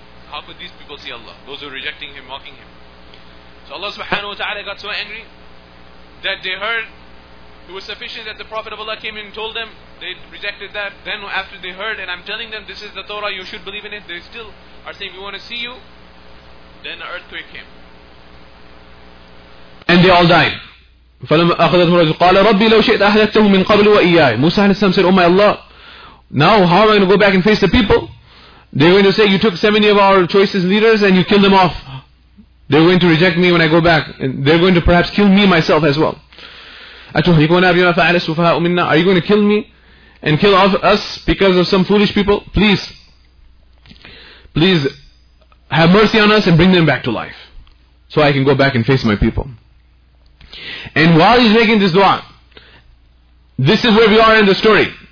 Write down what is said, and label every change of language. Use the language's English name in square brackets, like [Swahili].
[English] How could these people see Allah? Those who are rejecting Him, mocking Him. So Allah subhanahu wa ta'ala got so angry that they heard it was sufficient that the Prophet of Allah came in and told them. They rejected that. Then after they heard and I'm telling them this is the Torah, you should believe in it, they still are saying, we want to see you. Then the earthquake came. And they all died. [Arabic] فلما أخذتهم الرجل قال ربي لو شئت أهلكتهم من قبل وإياي. [English] موسى عليه السلام said, oh my Allah, now how am I going to go back and face the people? They're going to say, you took 70 of our choicest leaders and you killed them off. They're going to reject me when I go back. And they're going to perhaps kill me myself as well. [Arabic] أتهلكونا بما فعل السفهاء منا. [English] Are you going to kill me and kill off us because of some foolish people? Please. Please have mercy on us and bring them back to life so I can go back and face my people. And while he's making this dua, this is where we are in the story.